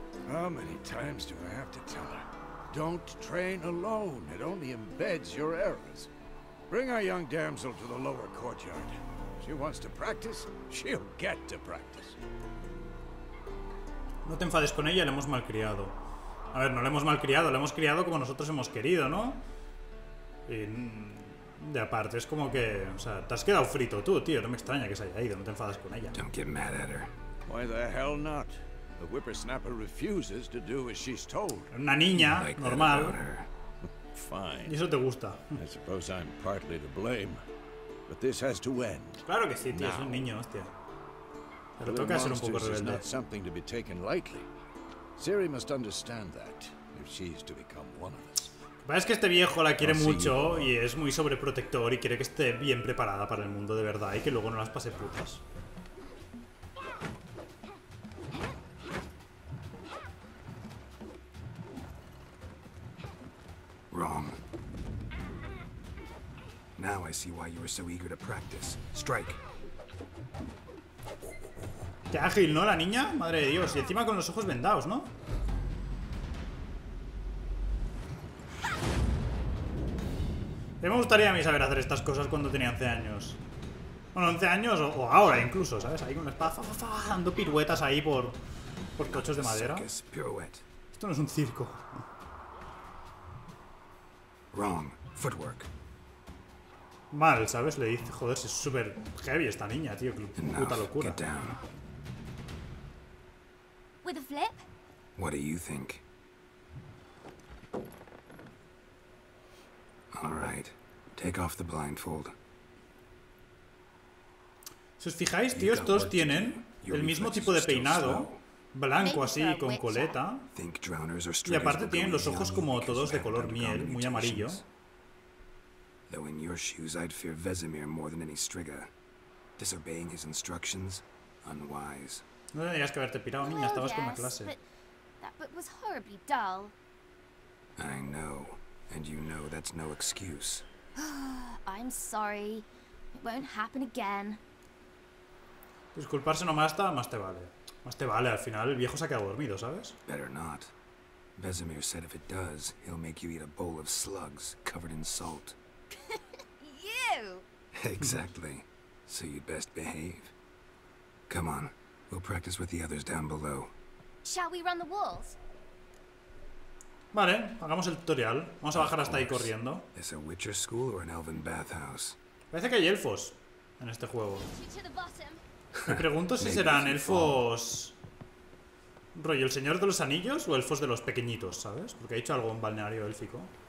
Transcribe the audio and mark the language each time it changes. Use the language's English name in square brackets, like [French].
[English] How many times do I have to tell her? Don't train alone. It only embeds your errors. Bring our young damsel to the lower courtyard. She wants to practice, she'll get to practice. [Spanish] No te enfades con ella, la hemos malcriado. A ver, no la hemos malcriado, la hemos criado como nosotros hemos querido, ¿no? Y de aparte, es como que, o sea, te has quedado frito tú, tío. No me extraña que se haya ido, no te enfades con ella. [English] Don't get mad at her. Why the hell not? The whippersnapper refuses to do as she's told. [Spanish] Una niña, normal. [English] Fine. [Spanish] Y eso te gusta. [English] I suppose I'm partly to blame, but this has to end. [Spanish] Claro que sí, tío, es un niño, hostia. Pero toca ser un poco rebelde. [English] It's not something to be taken lightly. Siri must understand that if she's to become one of us. [Spanish] Es que este viejo la quiere mucho y es muy sobreprotector y quiere que esté bien preparada para el mundo de verdad y que luego no las pase putas. [English] Wrong. Now I see why you were so eager to practice. Strike. [Spanish] Qué ágil, ¿no? La niña, madre de Dios. Y encima con los ojos vendados, ¿no? Y me gustaría a mí saber hacer estas cosas cuando tenía 11 años. Bueno, 11 años o ahora incluso, ¿sabes? Ahí con la espada, dando piruetas ahí por cochos de madera. Esto no es un circo. [English] Wrong. Footwork. [Spanish] Mal, ¿sabes? Le dice, joder, si es súper heavy esta niña, tío. Qué puta locura. [English] Get down. With a flip? What do you think? All right. Take off the blindfold. [Spanish] Si os fijáis, tío, estos tienen el mismo tipo de peinado. Blanco así, con coleta. Y aparte tienen los ojos como todos de color miel, muy amarillo. [English] Though in your shoes I'd fear Vesemir more than any Striga. Disobeying his instructions, unwise. [Spanish] No tendrías que haberte pirado, niña, estabas con la clase. [English] That book was horribly dull. I know, and you know that's no excuse. I'm sorry. It won't happen again. [Spanish] Disculparse no basta, más te vale. Más te vale, al final el viejo se ha quedado dormido, ¿sabes? [English] Better not. Vesemir said if it does, he'll make you eat a bowl of slugs covered in salt. You! Exactly. So you'd best behave. Come on, we'll practice with the others down below. Shall we run the walls? [Spanish] Vale, hagamos el tutorial. Vamos a bajar hasta ahí corriendo. [English] Is a witcher school or an elven bathhouse? [Spanish] Parece que hay elfos en este juego. Me pregunto si serán elfos rollo el Señor de los Anillos o elfos de los pequeñitos, ¿sabes? Porque ha dicho algo en balneario élfico.